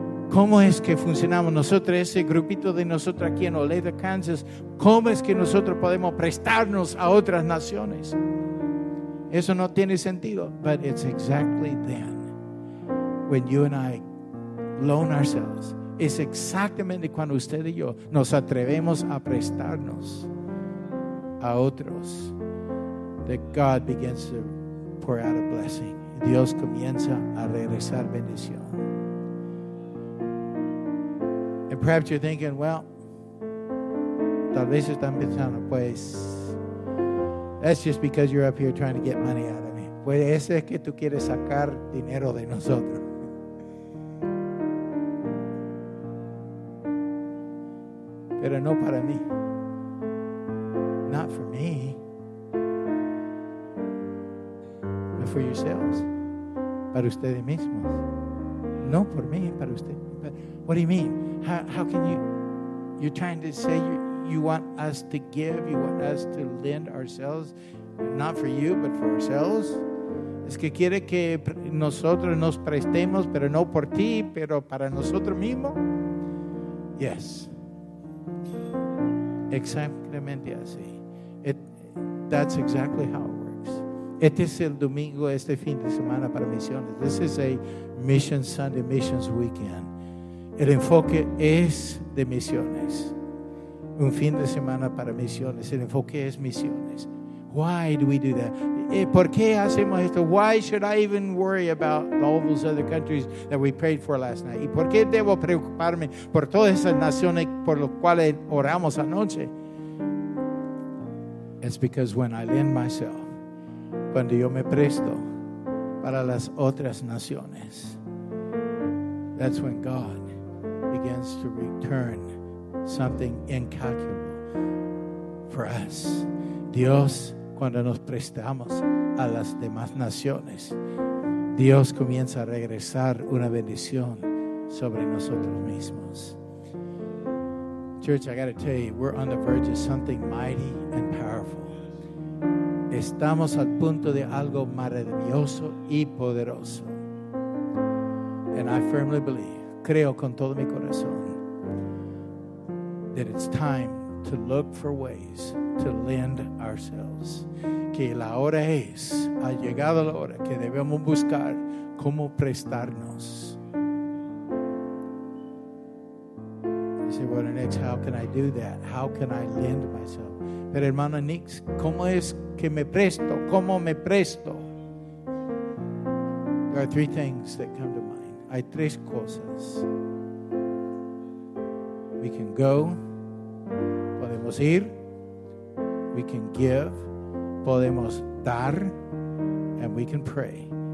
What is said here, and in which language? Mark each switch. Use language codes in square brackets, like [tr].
[es] ¿Cómo es que funcionamos nosotros, ese grupito de nosotros aquí en Olathe, Kansas? ¿Cómo es que nosotros podemos prestarnos a otras naciones? Eso no tiene sentido. [en] But it's exactly then when you and I loan ourselves. [es] Es exactamente cuando usted y yo nos atrevemos a prestarnos a otros, [en] that God begins to pour out a blessing. [es] Dios comienza a regresar bendición. [en] And perhaps you're thinking, well, [es] tal vez están pensando, pues, [en] that's just because you're up here trying to get money out of me. [es] Pues ese es que tú quieres sacar dinero de nosotros. Pero no para mí. [en] Not for me. But for yourselves. [es] Para ustedes mismos. No por mí, para usted. [en] But what do you mean? How can you? You're trying to say you want us to give, you want us to lend ourselves, not for you, but for ourselves. [es] Es que quiere que nosotros nos prestemos, pero no por ti, pero para nosotros mismos. [en] Yes. [es] Exactamente así. [en] That's exactly how it works. [es] Este es el domingo, este fin de semana para misiones. [en] This is a Mission Sunday, Missions Weekend. [es] El enfoque es de misiones. Un fin de semana para misiones. El enfoque es misiones. [en] Why do we do that? [es] ¿Por qué hacemos esto? [en] Why should I even worry about all those other countries that we prayed for last night? [es] ¿Y por qué debo preocuparme por todas esas naciones por las cuales oramos anoche? [en] It's because when I lend myself, [es] cuando yo me presto para las otras naciones, [en] that's when God begins to return something incalculable for us. [es] Dios, cuando nos prestamos a las demás naciones, Dios comienza a regresar una bendición sobre nosotros mismos. [en] Church, I got to tell you, we're on the verge of something mighty and powerful. [es] Estamos al punto de algo maravilloso y poderoso. [en] And I firmly believe, [es] creo con todo mi corazón, [en] that it's time to look for ways to lend ourselves. [es] Que la hora es, ha llegado la hora que debemos buscar cómo prestarnos. [en] You say, well, next, how can I do that? How can I lend myself? [es] Pero hermano Nix, ¿cómo es que me presto? ¿Cómo me presto? [en] There are three things that come to mind. [es] Hay tres cosas. [en] We can go. [es] Podemos ir. [en] We can give. [es] Podemos dar. [en] And we can pray.